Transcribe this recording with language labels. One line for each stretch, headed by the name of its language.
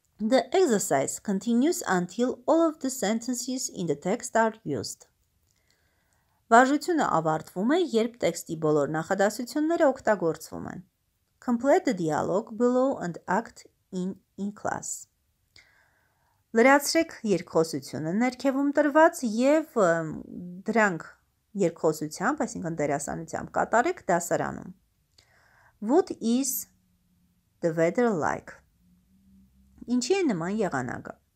English: The exercise continues until all of the sentences in the text are used.
Armenian: Վարժությունը ավարտվում է, երբ տեքստի բոլոր նախադասությունները օգտագործվում են.
English: Complete the dialogue below and act in class.
Armenian: Լրացրեք երկխոսությունը ներքևում տրված և դրանք երկխոսությամբ, այսինքն դերասանությամբ կատարեք դասարանում.
English: What is the weather like?
Armenian: Ինչի է նման եղանակը?